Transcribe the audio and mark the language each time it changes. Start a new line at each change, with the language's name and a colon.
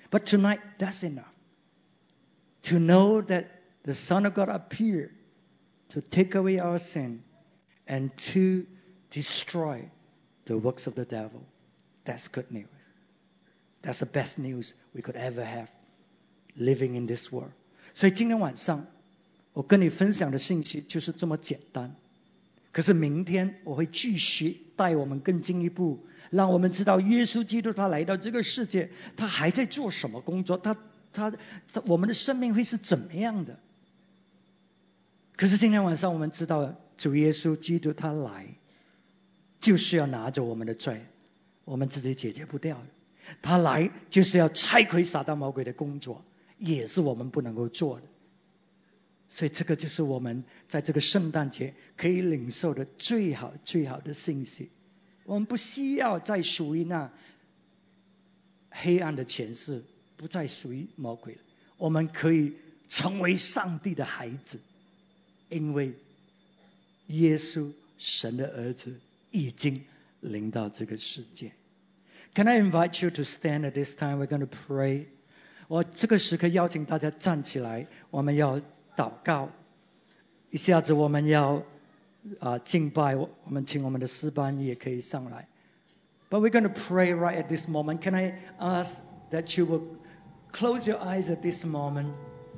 English: But tonight, that's enough. To know that the Son of God appeared to take away our sin and to destroy the works of the devil. That's good news. That's the best news we could ever have living in this world.
Chinese: 所以今天晚上我跟你分享的信息就是这么简单。可是明天我会继续带我们更进一步，让我们知道耶稣基督他来到这个世界，他还在做什么工作，他我们的生命会是怎么样的。可是今天晚上我们知道主耶稣基督他来就是要拿着我们的罪，我们自己解决不掉的。他来就是要拆毁撒旦魔鬼的工作，也是我们不能够做的。所以这个就是我们在这个圣诞节可以领受的最好最好的信息。我们不需要再属于那黑暗的前世，不再属于魔鬼了。我们可以成为上帝的孩子，因为耶稣神的儿子已经临到这个世界。
English: Can I invite you to stand at this time? We're going to pray.
Chinese: 我这个时刻邀请大家站起来，我们要祷告一下子，我们要敬拜。我们请我们的诗班也可以上来。
English: But we're going to pray right at this moment. Can I ask that you will close your eyes at this moment?